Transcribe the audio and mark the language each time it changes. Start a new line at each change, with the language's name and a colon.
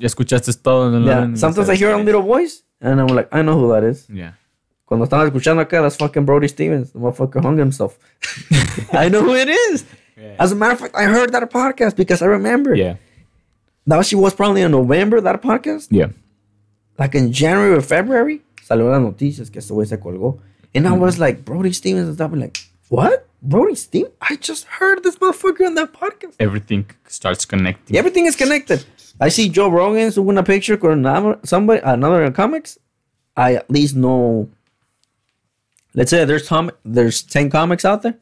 Spanish: Ya escuchaste todo.
English: Sometimes I hear a little voice, and I'm like, I know who that is. Yeah.
Spanish: Cuando estaba escuchando acá,
English: that's fucking Brody Stevens. The motherfucker hung himself. I know who it is. Yeah. As a matter of fact, I heard that podcast because I remember. Yeah. That she was probably in November, that podcast. Yeah. Like in January or February,
Spanish: salió las noticias que este güey se colgó.
English: And I was like, Brody Stevens. And I was like, what? Brody Stevens? I just heard this motherfucker on that podcast. Everything starts connecting. Everything is connected. I see Joe Rogan's in a picture with another comics. I at least know... Let's say there's 10 comics out there.